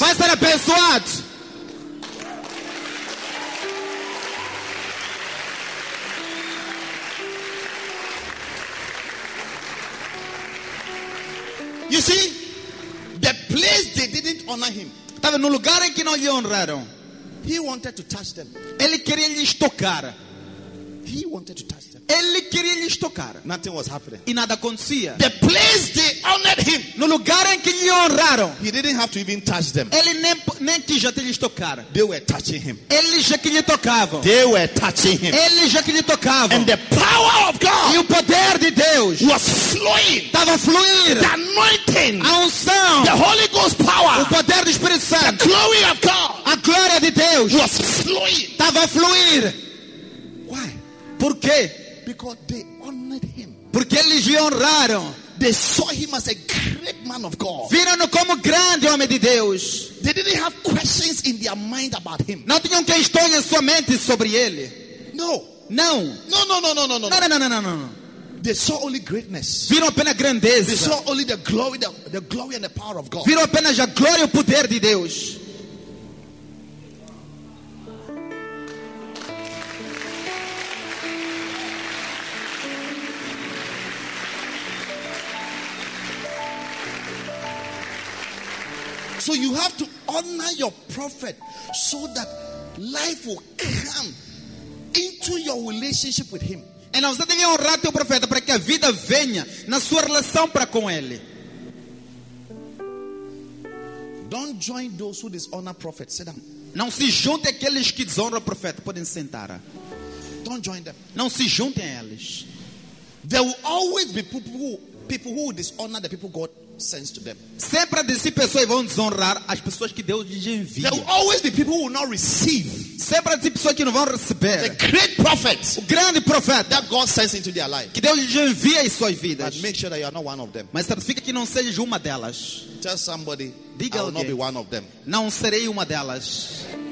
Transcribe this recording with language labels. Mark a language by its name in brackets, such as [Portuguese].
[Portuguese] Vai ser abençoado. [English] You see, the place they didn't honor him. [Portuguese] Estava no lugar em que não lhe honraram. [English] He wanted to touch them. [Portuguese] Ele queria lhes tocar. [English] He wanted to touch them. [Portuguese] Ele queria lhes tocar. [English] Nothing was happening. [Portuguese] E nada acontecia. [English] The place they honored him. [Portuguese] No lugar em que lhe honraram. [English] He didn't have to even touch them. [Portuguese] Ele nem quis até lhes tocar. [English] They were touching him. [Portuguese] Eles já que lhe tocavam. [English] They were touching him. [Portuguese] Eles já que lhe tocavam. [English] And the power of God. [Portuguese] E o poder de Deus. [English] Was flowing. [Portuguese] Tava fluindo. [English] The anointing. [Portuguese] A unção. [English] The Holy Ghost power. [Portuguese] O poder do Espírito Santo. [English] The glory of God. [Portuguese] A glória de Deus. [English] Was flowing. [Portuguese] Tava fluindo. Por quê? [English] Because they honored him. [Portuguese] Porque eles lhe honraram. [English] They saw him as a great man of God. [Portuguese] Viram-no como grande homem de Deus. [English] They didn't have questions in their mind about him. [Portuguese] Não tinham questões em sua mente sobre ele. [English] No. [Portuguese] Não. [English] No, no, no, no, no, no. [Portuguese] Não, não, não, não, não, não, não. [English] They saw only greatness. [Portuguese] Viram apenas grandeza. [English] They saw only the glory and the power of God. [Portuguese] Viram apenas a glória e o poder de Deus. [English] So you have to honor your prophet so that life will come into your relationship with him. [Portuguese] Então você tem que honrar teu profeta para que a vida venha na sua relação para com ele. [English] Don't join those who dishonor prophets. Sit down. [Portuguese] Não se junte àqueles que desonram o profeta. Podem sentar. [English] Don't join them. [Portuguese] Não se juntem a eles. [English] There will always be people who dishonor the people God sends to them. [Portuguese] Sempre existem pessoas que vão desonrar as pessoas que Deus lhes envia. [English] There will always be people who will not receive. [Portuguese] Sempre existem pessoas que não vão receber. [English] The great prophet, [Portuguese] o grande profeta, [English] that God sends into their life, [Portuguese] que Deus lhes envia em suas vidas. [English] But make sure that you are not one of them. [Portuguese] Mas certifica que não sejas uma delas. [English] Tell somebody, [Portuguese] diga alguém, [English] I will not be one of them. [Portuguese] Não serei uma delas.